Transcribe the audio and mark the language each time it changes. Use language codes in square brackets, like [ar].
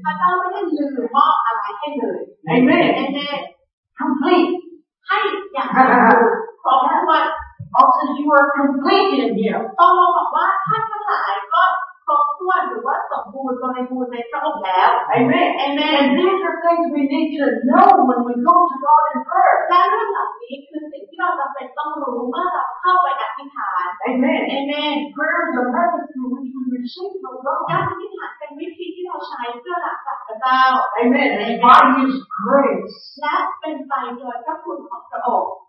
[th] พระเจ้าไม่ได้ลืมอะไรให้เลย [en] Amen. Amen. Complete. [th] ให้อย่างเดียวขอบคุณว่า [en] Also, you are complete in Him. [th] ต้องบอกว่าท่านทั้งหลายก็ครบถ้วนหรือว่าสมบูรณ์บริบูรณ์ในพระองค์แล้ว [en] Amen. Amen. And these are things we need to know when we go to God in prayer. [th] และเรื่องเหล่านี้คือสิ่งที่เราจำเป็นต้องรู้เมื่อเราเข้าไปอธิษฐาน [en] Amen. Amen. Prayer is a method through which we receive from God. [th] การอธิษฐานเป็นวิธีที่เราใช้เพื่อรับจากพระเจ้า [en] Amen. And by His grace. [th] และเป็นไปโดยพระคุณของพระองค์